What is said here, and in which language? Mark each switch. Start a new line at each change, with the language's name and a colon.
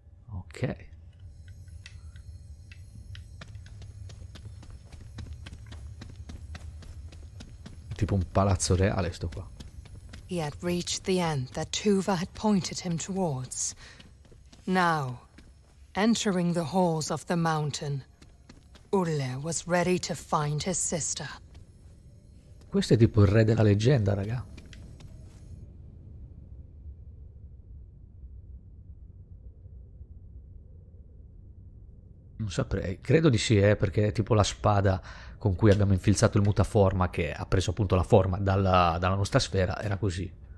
Italian: Ok. Tipo un palazzo reale sto qua.
English: He had reached the end that Tuva had pointed him towards. Now, entering the halls of the mountain, Ulle was ready to find his sister.
Italian: Questo è tipo il re della leggenda, raga. Non saprei, credo di sì, perché è tipo la spada con cui abbiamo infilzato il mutaforma che ha preso appunto la forma dalla nostra sfera, era così.